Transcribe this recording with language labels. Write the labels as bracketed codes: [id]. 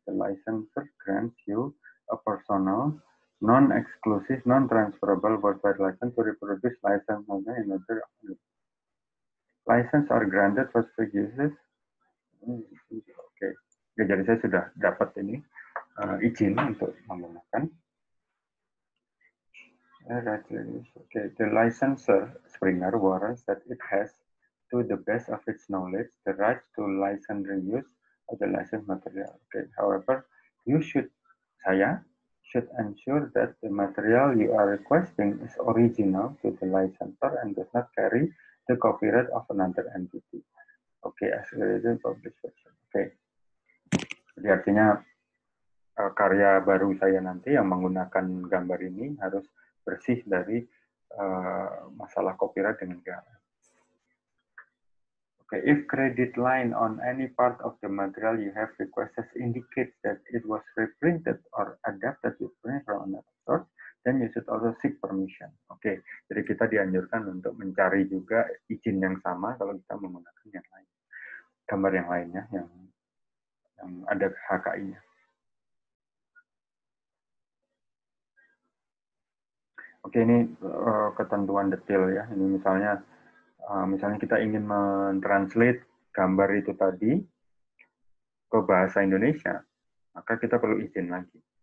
[en] The licensor grants you a personal, non-exclusive, non-transferable worldwide license to reproduce license holder in other license are granted for specific uses. Oke, okay. [id] Jadi saya sudah dapat ini izin untuk menggunakan. [en] Okay. The licensor, Springer, warrants that it has to the best of its knowledge, the right to license reuse of the license material. Okay. However, [id] saya [en] should ensure that the material you are requesting is original to the licensor and does not carry the copyright of another entity. Okay, as a reason published version. Okay. [id] Jadi artinya karya baru saya nanti yang menggunakan gambar ini harus bersih dari masalah copyright dengan negara. [en] Okay, if credit line on any part of the material you have requested indicates that it was reprinted or adapted to print from another source, then you should also seek permission. [id] Okay, jadi kita dianjurkan untuk mencari juga izin yang sama kalau kita menggunakan yang lain, gambar yang lainnya yang ada HKI-nya. Oke, ini ketentuan detail ya. Ini misalnya misalnya kita ingin mentranslate gambar itu tadi ke bahasa Indonesia, maka kita perlu izin lagi.